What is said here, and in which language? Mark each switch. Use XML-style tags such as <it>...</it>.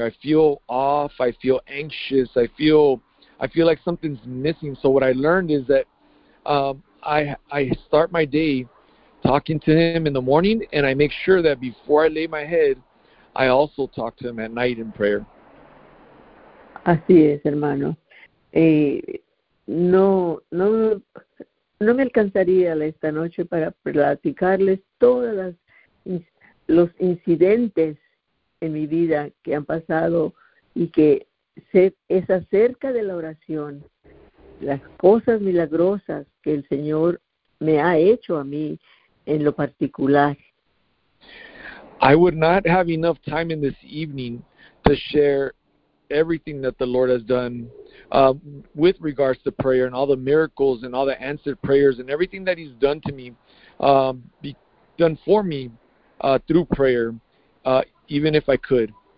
<en>I feel off, I feel anxious, I feel like something's missing. So what I learned is that I start my day talking to him in the morning, and I make sure that before I lay my head, I also talk to him at night in prayer.</en> <es>Así es, hermano. No me alcanzaría esta noche para platicarles todas los incidentes en mi vida que han pasado y que es acerca de la oración, las cosas milagrosas que el Señor me ha hecho a mí. En lo particular,</es> <en>I would not have enough time in this evening to share everything that the Lord has done with regards to prayer and all the miracles and all the answered prayers and everything that he's done to me, done for me through prayer, even if I could.</en>